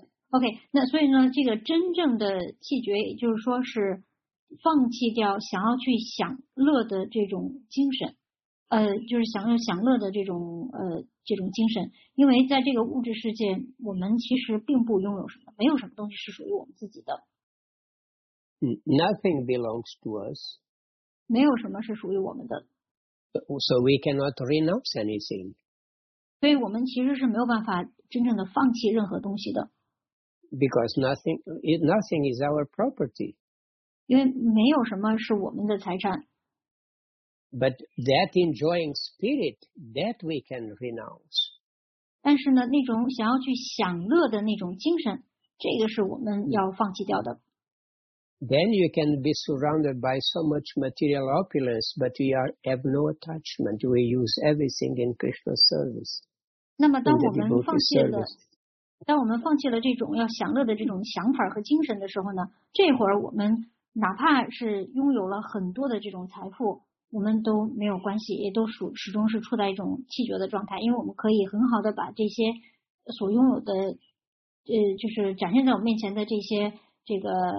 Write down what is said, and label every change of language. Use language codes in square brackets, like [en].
[zh] OK, 那所以呢，这个真正的气绝，也就是说是放弃掉想要去享乐的这种精神，就是想要享乐的这种精神。因为在这个物质世界，我们其实并不拥有什么，没有什么东西是属于我们自己的。 [en] Nothing belongs to us. [zh] 没有什么是属于我们的。 [en] So we cannot renounce anything. [zh] 所以我们其实是没有办法真正的放弃任何东西的。 [en] Because nothing is our property. [zh] 因为没有什么是我们的财产。 [en] But that enjoying spirit, that we can renounce. [zh] 但是呢，那种想要去享乐的那种精神，这个是我们要放弃掉的。 [en] Then you can be surrounded by so much material opulence, but you have no attachment. We use everything in Krishna's service. [zh] 那么当我们放弃了，当我们放弃了这种要享乐的这种想法和精神的时候呢，这会儿我们哪怕是拥有了很多的这种财富，我们都没有关系，也都始终是处在一种气绝的状态，因为我们可以很好的把这些所拥有的，就是展现在我面前的这些这个。